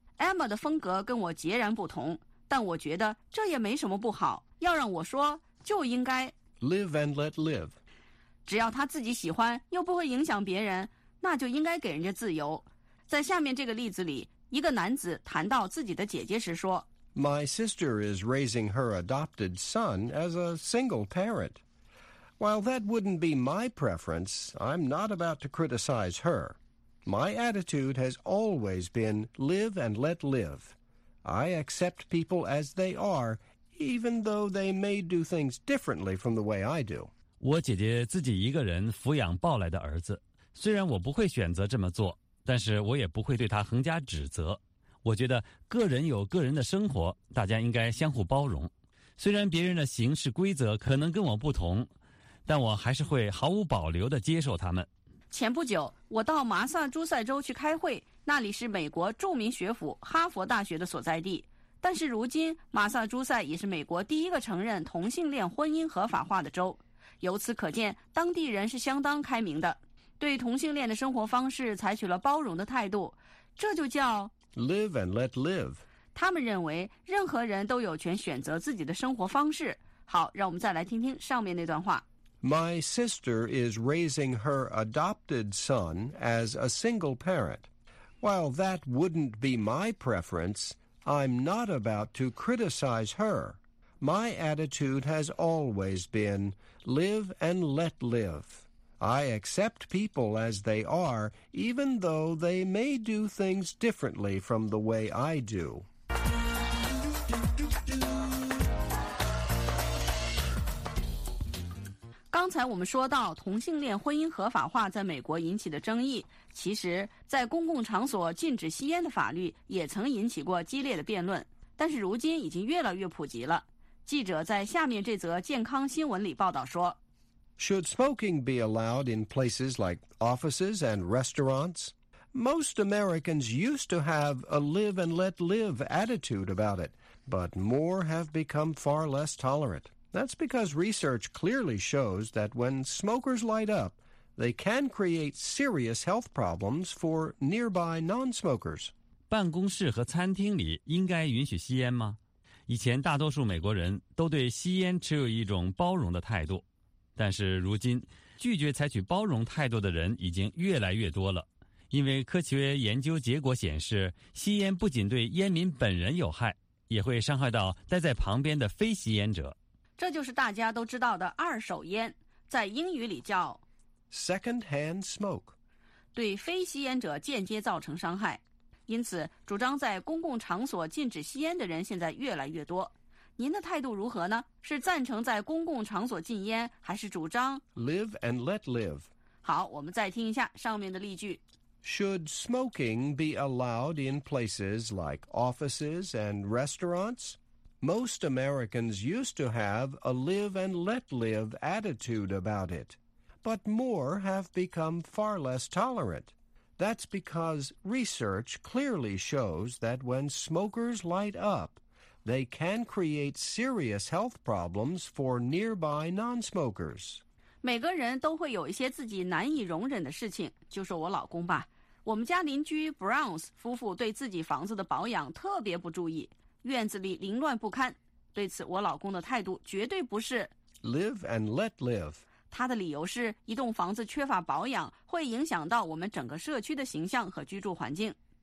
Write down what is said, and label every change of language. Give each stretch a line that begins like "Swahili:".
Chinese: Emma 的风格跟我截然不同，但我觉得这也没什么不好。要让我说，就应该
English: Live and let live.
Chinese: 只要他自己喜欢，又不会影响别人，那就应该给人家自由。在下面这个例子里，一个男子谈到自己的姐姐时说，
English: My sister is raising her adopted son as a single parent. While that wouldn't be my preference, I'm not about to criticize her. My attitude has always been live and let live. I accept people as they are, even though they may do things differently from the way I do.
Chinese: 我姐姐自己一个人抚养抱来的儿子，虽然我不会选择这么做，但是我也不会对她横加指责。我觉得个人有个人的生活，大家应该相互包容。虽然别人的行事规则可能跟我不同，但我还是会毫无保留地接受他们。前不久，我到马萨诸塞州去开会，那里是美国著名学府哈佛大学的所在地。但是如今，马萨诸塞也是美国第一个承认同性恋婚姻合法化的州。由此可见，当地人是相当开明的，对同性恋的生活方式采取了包容的态度。这就叫
English: Live and let live.
Chinese: 他们认为任何人都有权选择自己的生活方式。好，让我们再来听听上面那段话。
English: My sister is raising her adopted son as a single parent. While that wouldn't be my preference, I'm not about to criticize her. My attitude has always been live and let live. I accept people as they are, even though they may do things differently from the way I do.
Chinese: 刚才我们说到同性恋婚姻合法化在美国引起的争议，其实在公共场所禁止吸烟的法律也曾引起过激烈的辩论，但是如今已经越来越普及了。记者在下面这则健康新闻里报道说，
English: Should smoking be allowed in places like offices and restaurants? Most Americans used to have a live and let live attitude about it, but more have become far less tolerant. That's because research clearly shows that when smokers light up, they can create serious health problems for nearby non-smokers.
Chinese: 办公室和餐厅里应该允许吸烟吗？以前大多数美国人都对吸烟持有一种包容的态度，但是如今，拒绝采取包容态度的人已经越来越多了。因为科学研究结果显示，吸烟不仅对烟民本人有害，也会伤害到待在旁边的非吸烟者。这就是大家都知道的二手烟，在英语里叫
English: Secondhand smoke，
Chinese: 对非吸烟者间接造成伤害。因此主张在公共场所禁止吸烟的人现在越来越多，您的态度如何呢？是赞成在公共场所禁烟，还是主张
English: Live and let live？
Chinese: 好，我们再听一下上面的例句。
English: Should smoking be allowed in places like offices and restaurants? Most Americans used to have a live and let live attitude about it, but more have become far less tolerant. That's because research clearly shows that when smokers light up, they can create serious health problems for nearby non-smokers.
Chinese: 每个人都会有一些自己难以容忍的事情，就说我老公吧。我们家邻居 Browns 夫妇对自己房子的保养特别不注意。院子里凌乱不堪，对此我老公的态度绝对不是
English: Live and let live。
Chinese: 他的理由是一栋房子缺乏保养会影响到我们整个社区的形象和居住环境。